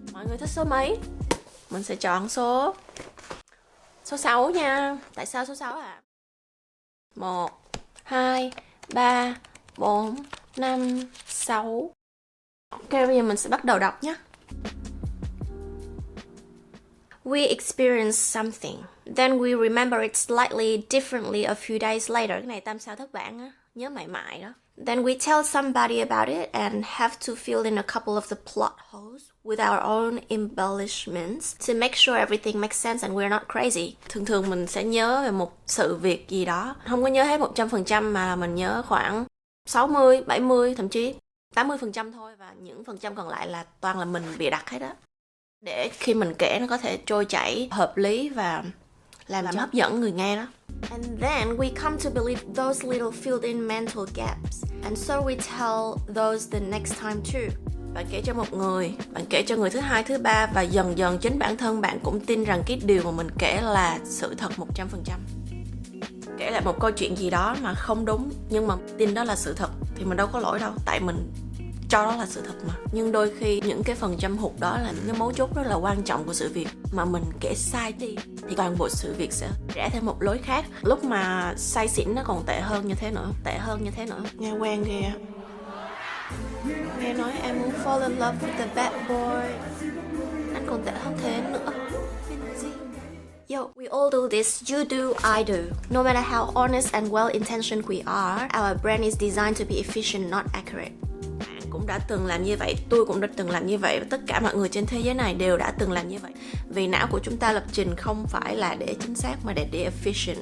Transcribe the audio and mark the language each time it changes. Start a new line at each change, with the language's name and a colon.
Vietnamese: Mọi người thích số mấy? Mình sẽ chọn số 6 nha. Tại sao số 6 ạ? 1, 2, 3, 4, 5, 6. Ok, bây giờ mình sẽ bắt đầu đọc nhé.
English: We experience something, then we remember it slightly differently a few days later.
Vietnamese: Cái này tam sao thất bản á, nhớ mãi mãi đó.
English: Then we tell somebody about it and have to fill in a couple of the plot holes with our own embellishments to make sure everything makes sense and we're not crazy.
Vietnamese: Thường thường mình sẽ nhớ về một sự việc gì đó, không có nhớ hết 100% mà mình nhớ khoảng 60, 70, thậm chí 80% thôi, và những phần trăm còn lại là toàn là mình bịa đặt hết á. Để khi mình kể nó có thể trôi chảy, hợp lý và làm hấp dẫn người nghe đó.
English: And then we come to believe those little filled in mental gaps, and so we tell those the next time too.
Vietnamese: Bạn kể cho một người, bạn kể cho người thứ hai, thứ ba, và dần dần chính bản thân bạn cũng tin rằng cái điều mà mình kể là sự thật 100%. Kể lại một câu chuyện gì đó mà không đúng, nhưng mà tin đó là sự thật, thì mình đâu có lỗi đâu, tại mình cho đó là sự thật mà. Nhưng đôi khi những cái phần trăm hụt đó là những cái mấu chốt rất là quan trọng của sự việc, mà mình kể sai đi thì toàn bộ sự việc sẽ rẽ theo một lối khác. Lúc mà say xỉn nó còn tệ hơn như thế nữa. Nghe quen ghê á. Nghe nói em muốn
English: fall in love with the bad boy.
Vietnamese: Anh còn tệ hơn thế nữa.
English: Yo, we all do this, you do, I do. No matter how honest and well-intentioned we are, our brain is designed to be efficient, not accurate.
Vietnamese: Cũng đã từng làm như vậy, tôi cũng đã từng làm như vậy, và tất cả mọi người trên thế giới này đều đã từng làm như vậy. Vì não của chúng ta lập trình không phải là để chính xác mà để efficient.